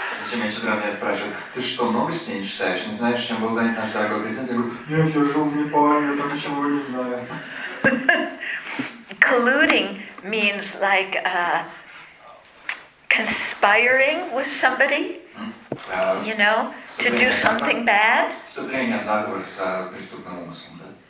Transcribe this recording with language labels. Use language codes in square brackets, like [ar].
[ru] Чем я читаю, я спрашиваю, ты что, новости не читаешь? Не знаешь, чем был занят наш дорогой президент? Я говорю, нет, я жил в Непале, я там ничего не знаю. [en] Colluding means like conspiring with somebody, you know, to do something bad. [ru] Вступление в заговор с преступным умыслом, да?